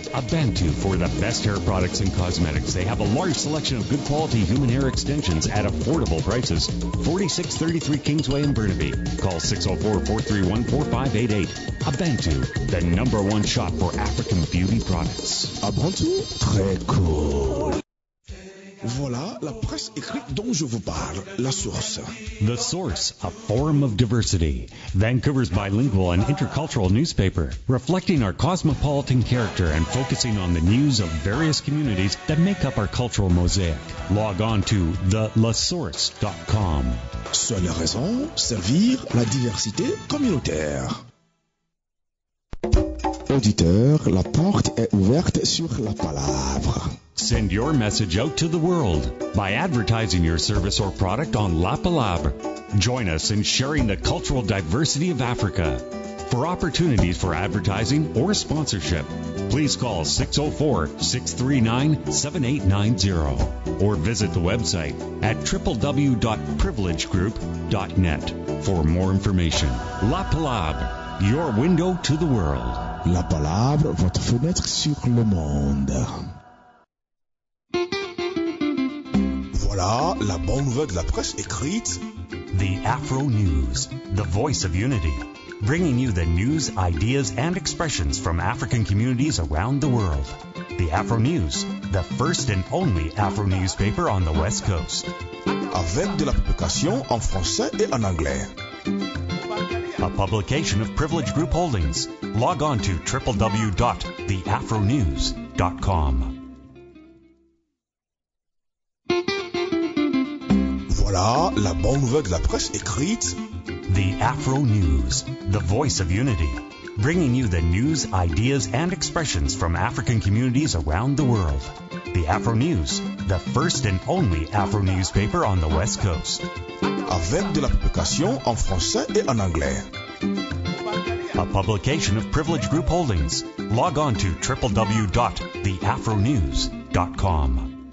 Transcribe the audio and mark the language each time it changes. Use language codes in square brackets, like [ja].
[en] Abantu for the best hair products and cosmetics. They have a large selection of good quality human hair extensions at affordable prices. 4633 Kingsway in Burnaby. Call 604-431-4588. Abantu, the number one shop for African beauty products. [fr] Abantu? Très cool. Voilà la presse écrite dont je vous parle, la source. [en] The Source, a forum of diversity. Vancouver's bilingual and intercultural newspaper, reflecting our cosmopolitan character and focusing on the news of various communities that make up our cultural mosaic. Log on to thelasource.com. [fr] Seule raison, servir la diversité communautaire. Auditeur, la porte est ouverte sur la palabre. [en] Send your message out to the world by advertising your service or product on La Palabre. Join us in sharing the cultural diversity of Africa. For opportunities for advertising or sponsorship, please call 604-639-7890 or visit the website at www.privilegegroup.net for more information. La Palabre, your window to the world. [fr] La Palabre, votre fenêtre sur le monde. Voilà la bonne nouvelle de la presse écrite. [en] The Afro News, the voice of unity, bringing you the news, ideas, and expressions from African communities around the world. The Afro News, the first and only Afro newspaper on the West Coast. [fr] Avec de la publication en français et en anglais. [en] A publication of Privilege Group Holdings. Log on to www.theafronews.com. [fr] Voilà la bonne nouvelle de la presse écrite. [en] The Afro News, the voice of unity, bringing you the news, ideas, and expressions from African communities around the world. The Afro News, the first and only Afro newspaper on the West Coast. [fr] Avec de la publication en français et en anglais. [en] A publication of Privilege Group Holdings. Log on to www.theafronews.com.